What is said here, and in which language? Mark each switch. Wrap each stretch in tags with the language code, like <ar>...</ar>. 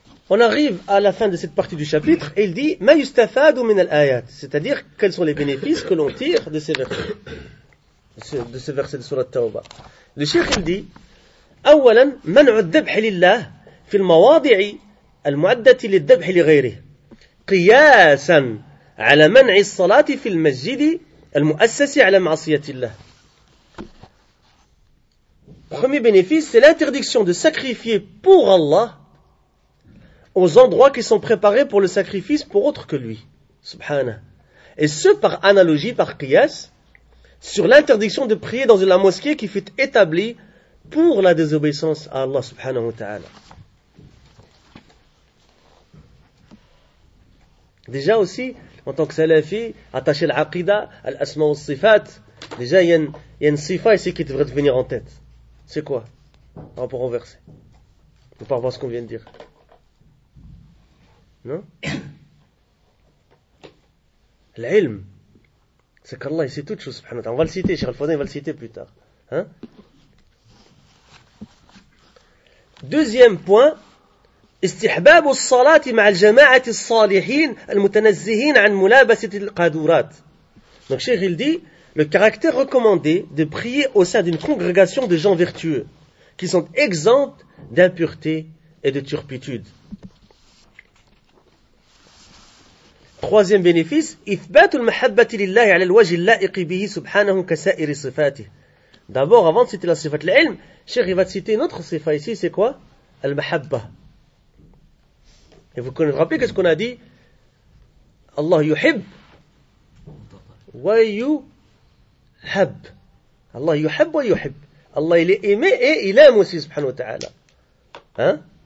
<fr>On arrive à la fin de cette partie du chapitre et il dit</fr> <ar>ma yustafadu min al-ayat,</ar> <fr>c'est-à-dire quels sont les bénéfices que l'on tire de ces versets, de ce verset de sourate Tawba. Le cheikh il dit</fr> <ar>اولا منع الذبح لله في المواضع المعده للذبح لغيره قياسا على منع الصلاه في المسجد المؤسس على معصيه الله.</ar> <fr>Premier bénéfice, c'est l'interdiction de sacrifier pour Allah aux endroits qui sont préparés pour le sacrifice pour autre que lui, subhana. Et ce, par analogie, par qiyas, sur l'interdiction de prier dans la mosquée qui fut établie pour la désobéissance à Allah, subhanahu wa ta'ala. Déjà aussi, en tant que salafi, attaché à l'aqida, à l'asma ou sifat, déjà il y a une sifa ici qui devrait te venir en tête. C'est quoi, par rapport au verset, par rapport à ce qu'on vient de dire? Non? L'ilm. C'est qu'Allah, il sait toutes choses, subhanahu wa ta'ala. On va le citer, Cheikh Al-Fadhil, il va le citer plus tard. Hein? Deuxième point,</fr> <ar>استحباب الصلاة مع الجماعة الصالحين المتنزهين عن ملابسة القادورات.</ar> <fr>Donc, Cheikh, il dit, le caractère recommandé de prier au sein d'une congrégation de gens vertueux, qui sont exempts d'impureté et de turpitude. Troisième bénéfice,</fr> <ar>إثبات المحبة لله على الوجه اللائق به سبحانه كسائر صفاته.</ar> <fr>D'abord, avant de citer la sifat l'ilm, Cheikh, il va citer une autre sifat ici, c'est quoi? Al-mahabba. Et vous connaissez, rappelez qu'est-ce qu'on a dit?</fr> <ar>Allah yuhib wa yuhab. Allah yuhab wa yuhib.</ar> <fr>Allah il est aimé et il aime aussi, subhanahu wa ta'ala. Hein?</fr>